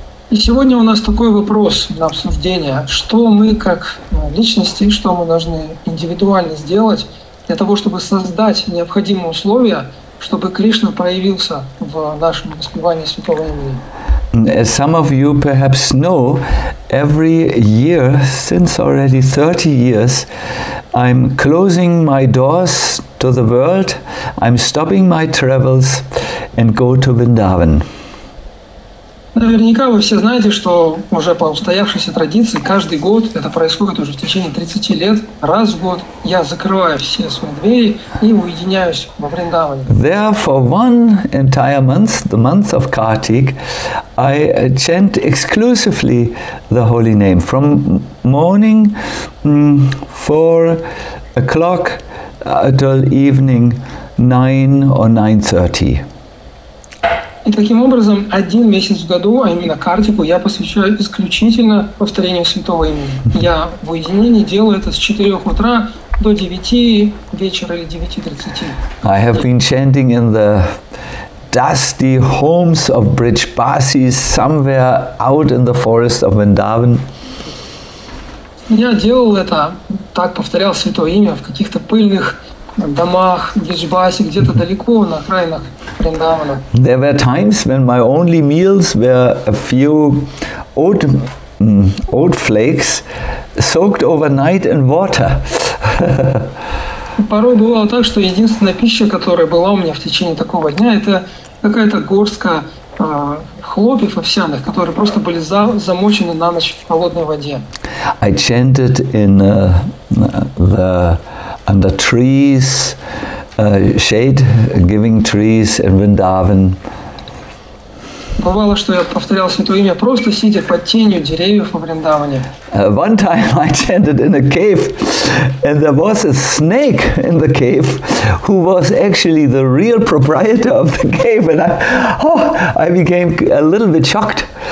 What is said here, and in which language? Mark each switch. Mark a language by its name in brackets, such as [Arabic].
[Russian] И сегодня у нас такой вопрос на обсуждение. Что мы как личности, что мы должны индивидуально сделать для того, чтобы создать необходимые условия, чтобы Кришна проявился в нашем воспевании Святого Имени? [English] As some of you perhaps know, every year, since already 30 years, I'm closing my doors to the world, I'm stopping my travels and go to Vrindavan. [Russian] Наверняка вы все знаете, что уже по устоявшейся традиции каждый год, это происходит уже в течение 30 лет, раз в год я закрываю все свои двери и уединяюсь во Вриндаване. [English] There for one entire month, the month of Kartik, I chant exclusively the holy name from morning 4 o'clock until evening 9 or 9:30. [Russian] И таким образом, один месяц в году, а именно Картику, я посвящаю исключительно повторению Святого Имени. Я в уединении делаю это с 4 утра до 9 вечера или 9:30. [English] I have been chanting in the dusty homes of Brijbasis, somewhere out in the forest of Vrindavan. [Russian] Я делал это, так повторял Святое Имя, в каких-то пыльных домах, в Брижбасе, где-то далеко, на окраинах. [English] There were times when my only meals were a few oat flakes soaked overnight in water. [Russian] Порой бывало так, что единственная пища, которая была у меня в течение такого дня, это какая-то горстка хлопьев овсяных, которые просто были замочены на ночь в холодной воде. [English] I chanted in the under trees, shade giving trees in Vrindavan. [Russian] Бывало, что я повторял святое имя просто сидя под тенью деревьев во Вриндаване. [English] One time I chanted in a cave, and there was a snake in the cave, who was actually the real proprietor of the cave, and I became a little bit shocked.